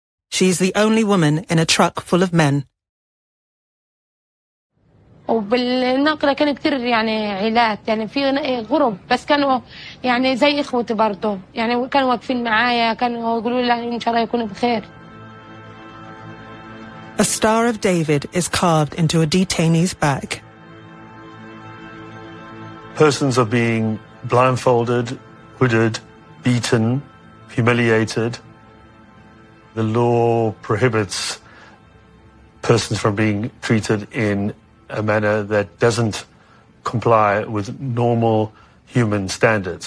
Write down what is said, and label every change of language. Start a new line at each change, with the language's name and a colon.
English: She's the only woman in a truck full of men.
Arabic: وبالنقلة كان كتير يعني عيلات يعني في غرب بس كانوا يعني زي إخوتي برضو يعني كانوا واقفين معايا كانوا يقولوا لي إن شاء الله يكونوا بخير.
English: A star of David is carved into a detainee's back. Persons are being blindfolded, hooded, beaten, humiliated. The law prohibits persons from being treated in a manner that doesn't comply with normal human standards.